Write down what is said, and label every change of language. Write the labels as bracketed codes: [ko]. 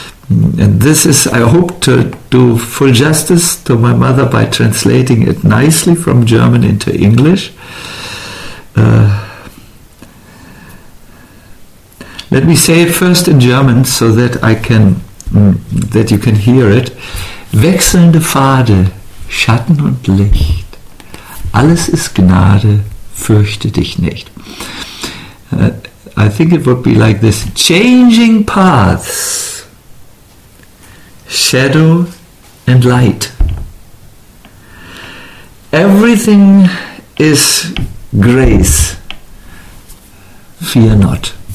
[en] And this is, I hope to do full justice to my mother by translating it nicely from German into English. Let me say it first in German so that that you can hear it. [de] Wechselnde Pfade, Schatten und Licht, alles ist Gnade, fürchte dich nicht. [en] I think it would be like this. Changing paths, shadow and light. Everything is grace. Fear not.